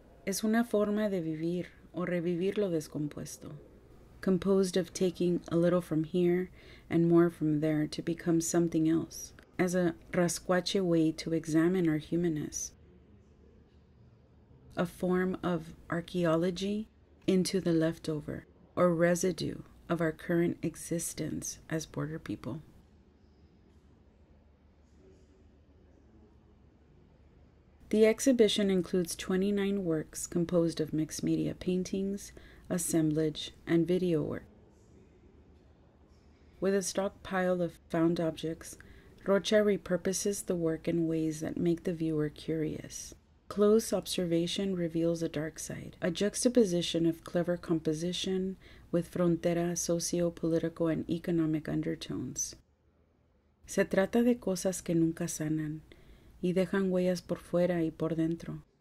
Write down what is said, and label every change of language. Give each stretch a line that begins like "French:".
Spanish: Es una forma de vivir o revivir lo descompuesto.
English: Composed of taking a little from here and more from there to become something else, as a rasquache way to examine our humanness. A form of archaeology into the leftover or residue of our current existence as border people. The exhibition includes 29 works composed of mixed media paintings, assemblage, and video work. With a stockpile of found objects, Rocha repurposes the work in ways that make the viewer curious. Close observation reveals a dark side, a juxtaposition of clever composition with frontera, socio-political, and economic undertones.
Spanish: Se trata de cosas que nunca sanan, y dejan huellas por fuera y por dentro.